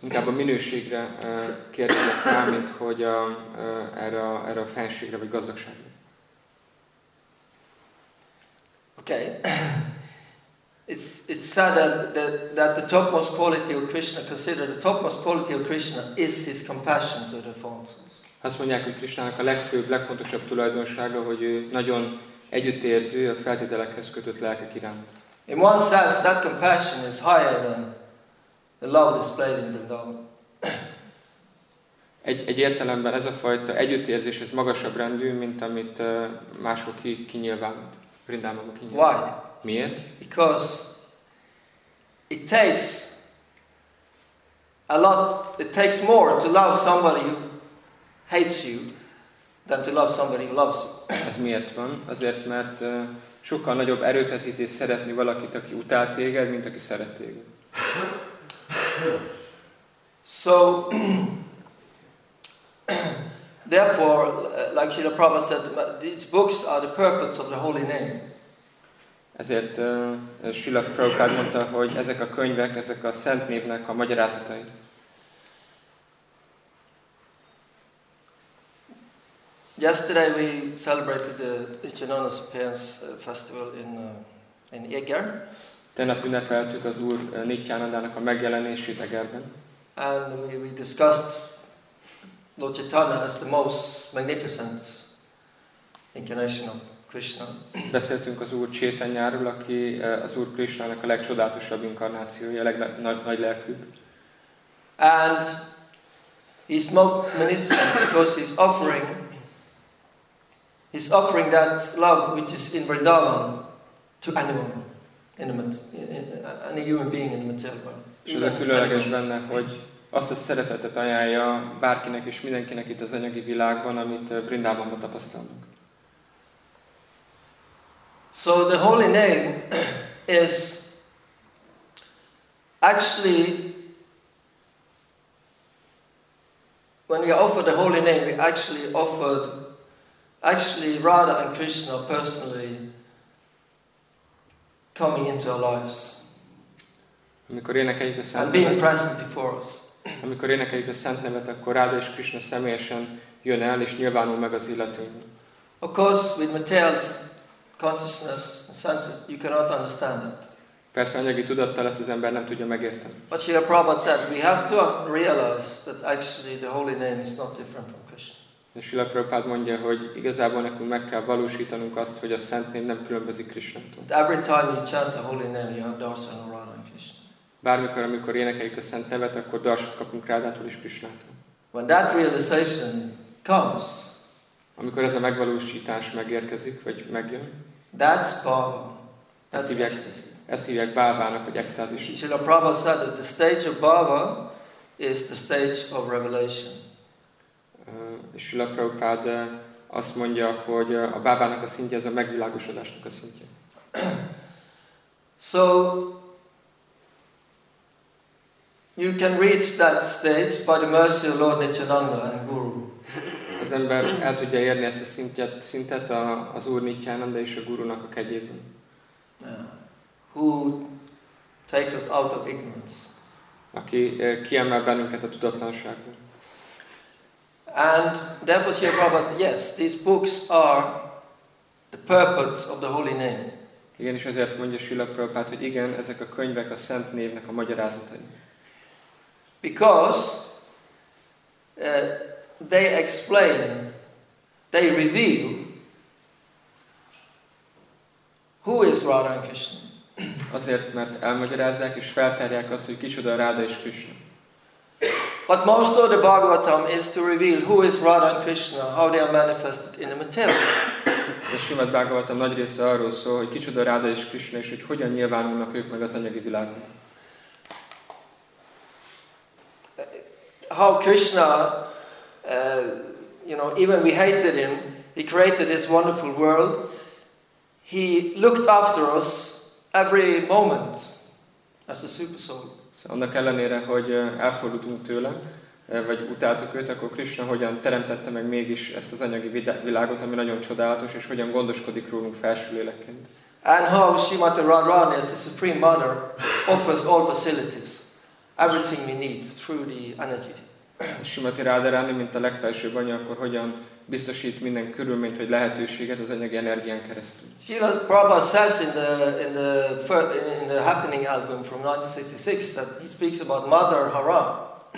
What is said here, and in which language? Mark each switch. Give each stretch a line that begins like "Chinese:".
Hungarian: Inkább a minőségre kérdezek rá, mint hogy erre a fenségre vagy gazdagságra.
English: Okay. It's said that the topmost quality of Krishna, considered the topmost quality of Krishna, is his compassion to the faults.
Hungarian: Azt mondják, hogy Krishnának a legfőbb, legfontosabb tulajdonsága, hogy ő nagyon együttérző, a feltételekhez kötött lelkek iránt.
English: In one sense, that compassion is higher than the love displayed in Vrindavan.
Hungarian: Egy értelemben ez a fajta együttérzés, ez magasabb rendű, mint amit máshol kinyilvánult, Vrindavanban kinyilvánult.
English: Why?
Hungarian: Miért?
English: Because it takes a lot, it takes more to love somebody who hates you than to love somebody who loves you.
Hungarian: Ez miért van? Azért, mert sokkal nagyobb erőfeszítés szeretni valakit, aki utál téged, mint aki szeret téged.
English: So, Therefore, like Srila Prabhupada said, these books are the purpose of the holy name.
Hungarian: Ezért Srila Prabhupada mondta, hogy ezek a könyvek, ezek a szent névnek a magyarázatai.
English: Yesterday we celebrated the Ichinonas Appearance Festival in Eger.
Hungarian: Tegnap ünnepeltük az Úr Nityánandának a megjelenését Egerben.
English: And we discussed Lord Chaitanya as the most magnificent incarnation of Krishna.
Hungarian: Beszéltünk az Úr Chaitanyáról, aki az Úr Krishnának a legcsodálatosabb inkarnációja, a nagy lelkű.
English: And he's most magnificent because he's offering that love which is in Vrindavan to anyone, any human being in the material world.
Hungarian: És ez a különleges benne, hogy azt a szeretetet ajánlja bárkinek és mindenkinek itt az anyagi világban, amit Vrindavanban tapasztalunk.
English: So the holy name is actually when we offer the holy name, we actually offered Radha and Krishna personally coming into our lives.
Hungarian: Amikor énekeljük a szent nevet,
English: being present before us.
Hungarian: Amikor énekeljük a szent nevet, akkor Radha és Krishna személyesen jön el és nyilvánul meg az illetőnek.
English: Of course, with material consciousness and senses, you cannot understand it.
Hungarian: Persze anyagi tudattal ezt az ember nem tudja megérteni.
English: But Srila Prabhupada said, we have to realize that actually the holy name is not different from Krishna.
Hungarian: És Srila Prabhupada mondja, hogy igazából nekünk meg kell valósítanunk azt, hogy a szent név nem különbözik Krishnától.
English: Every time you chant the holy name, you have darshan of Radha and Krishna.
Hungarian: Bármikor, amikor énekeljük a szent nevet, akkor darshan kapunk Rádától és Krishnától.
English: When that realization comes,
Hungarian: amikor ez a megvalósítás megérkezik, vagy megjön,
English: that's bhava.
Hungarian: Ezt hívják bhavának, vagy extázisnak.
English: Srila Prabhupada said that the stage of bhava is the stage of revelation.
Hungarian: És Srila Prabhupada azt mondja, hogy a bhavának a szintje ez a megvilágosodásnak a szintje.
English: So you can reach that stage by the mercy of Lord Nityananda and Guru.
Hungarian: Az ember el tudja érni ezt a szintet az Úr Nityananda és a Gurunak a kegyében.
English: Yeah. Who takes us out of ignorance.
Hungarian: Aki kiemel bennünket a tudatlanságból.
English: And therefore, Srila Prabhupada, yes, these books are the purpose of the holy name.
Hungarian: Igen, és ezért mondja Srila Prabhupada, hogy igen, ezek a könyvek a szent névnek a magyarázatai.
English: Because they explain, they reveal who is Radha and Krishna.
Hungarian: Azért, mert elmagyarázzák és felterják azt, hogy kicsoda Radha és Krishna.
English: But most of the Bhagavatam is to reveal who is Radha and Krishna, how they are manifested in the material.
Hungarian: A Srimad Bhagavatam nagy része arról szól, hogy kicsoda Radha és Krishna, és hogy hogyan nyilvánulnak ők meg az anyagi világban.
English: How Krishna, you know, even we hated him, he created this wonderful world. He looked after us every moment as a super soul.
Hungarian: Szóval annak ellenére, hogy elfordultunk tőle, vagy utáltuk őt, akkor Krishna hogyan teremtette meg mégis ezt az anyagi világot, ami nagyon csodálatos, és hogyan gondoskodik rólunk felső lélekként.
English: And how Srimati Radharani as the Supreme Mother offers all facilities, everything we need through the energy.
Hungarian: Srimati Radharani, mint a legfelsőbb anya, akkor hogyan biztosít minden körülményt, vagy lehetőséget az anyagi energián keresztül.
English: Srila Prabhupada says in the Happening album from 1966 that he speaks about Mother Hara.